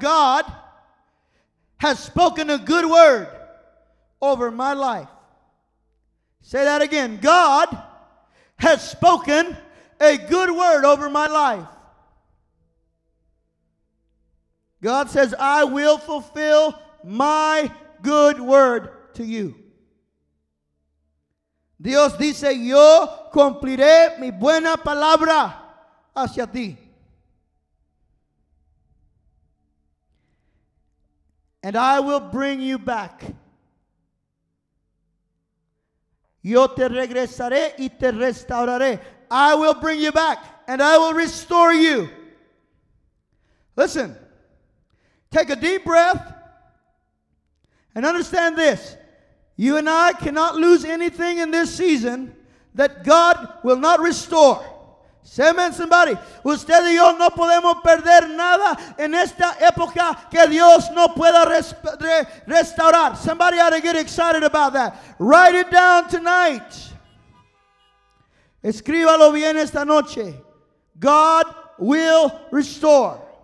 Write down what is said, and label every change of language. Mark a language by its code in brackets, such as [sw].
[en] God has spoken a good word over my life. Say that again. God has spoken a good word over my life. God says, I will fulfill my good word to you. [es] Dios dice, yo cumpliré mi buena palabra hacia ti. [en] And I will bring you back. [es] Yo te regresaré y te restauraré. [en] I will bring you back and I will restore you. Listen, take a deep breath and understand this. You and I cannot lose anything in this season that God will not restore. Amen, somebody. [es] Usted y yo no podemos perder nada en esta época que Dios no pueda restaurar. [en] Somebody ought to get excited about that. Write it down tonight. [es] Escríbalo bien esta noche. [en] God will restore.